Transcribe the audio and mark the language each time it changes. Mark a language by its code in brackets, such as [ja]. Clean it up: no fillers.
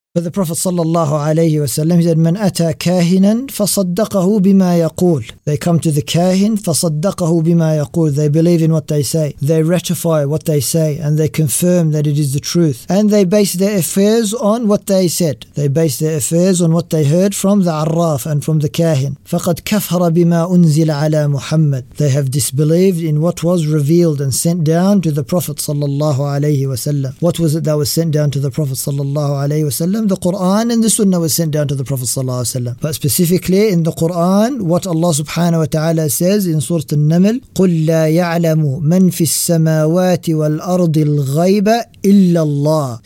[en] But the Prophet sallallahu alayhi wa sallam, he said, [ar] من أتى كاهنا فصدقه بما يقول. [en] They come to the kahin, [ar] فصدقه بما يقول. [en] They believe in what they say. They ratify what they say, and they confirm that it is the truth. And they base their affairs on what they said. They base their affairs on what they heard from the arraf and from the kahin. [ar] فقد كفر بما أنزل على محمد. [en] They have disbelieved in what was revealed and sent down to the Prophet sallallahu alayhi wa sallam. What was it that was sent down to the Prophet sallallahu alayhi wa sallam? The Quran and the Sunnah was sent down to the Prophet sallallahu alaihi wasallam. But specifically in the Quran, what Allah subhanahu wa ta'ala says in Surah An-Naml, [ar] قُلْ لَا يَعْلَمُ مَنْ فِي السَّمَاوَاتِ وَالْأَرْضِ الْغَيْبَ إِلَّا اللَّهِ.